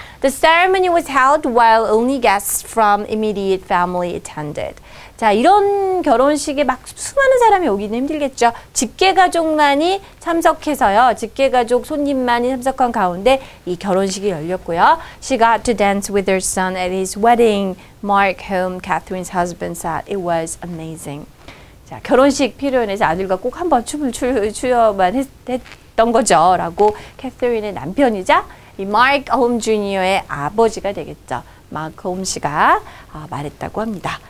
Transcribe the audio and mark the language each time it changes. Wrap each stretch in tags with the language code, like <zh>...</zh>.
<en>The ceremony was held while only guests from immediate family attended.</en> <ko>자, 이런 결혼식에 막 수많은 사람이 오기는 힘들겠죠. 직계가족만이 참석해서요. 직계가족 손님만이 참석한 가운데 이 결혼식이 열렸고요.</ko> <en>She got to dance with her son at his wedding. Mark, whom Catherine's husband said it was amazing.</en> <ko>자, 결혼식 피로연에서 아들과 꼭 한번 춤을 추어만 했던 거죠. 라고 캐서린의 남편이자 이 Mark Holm Jr.의 아버지가 되겠죠. 마크 홈 씨가 말했다고 합니다.</ko>